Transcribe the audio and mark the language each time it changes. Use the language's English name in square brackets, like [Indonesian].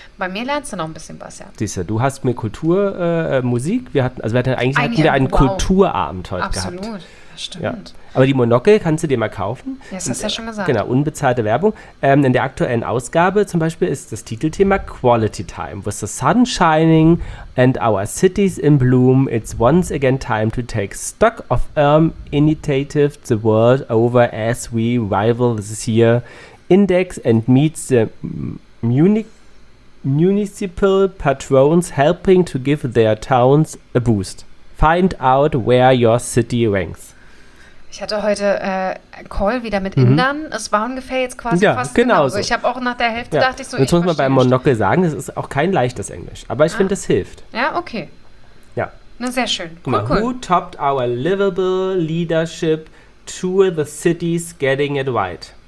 [German] Bei mir lernst du noch ein bisschen was, ja. Siehst du, du hast mir Kultur, Musik, wir hatten eigentlich einen Kulturabend heute absolut. Gehabt. Absolut, stimmt. Ja. Aber die Monocle kannst du dir mal kaufen. Ja, das hast du ja schon gesagt. Genau, unbezahlte Werbung. In der aktuellen Ausgabe zum Beispiel ist das Titelthema Quality Time. [English] With the sun shining and our cities in bloom, it's once again time to take stock of initiative the world over as we rival this year index and meet the municipal patrons helping to give their towns a boost. Find out where your city ranks. [German] Ich hatte heute Call wieder mit Indern. Es war ungefähr jetzt quasi fast genauso. Ich habe auch nach der Hälfte dachte ich so. Jetzt muss man beim Monocle sagen, es ist auch kein leichtes Englisch. Aber ich finde, es hilft. Ja, okay. Ja. Na, sehr schön. Guck mal. [English] Who topped our livable leadership tour the cities getting it right?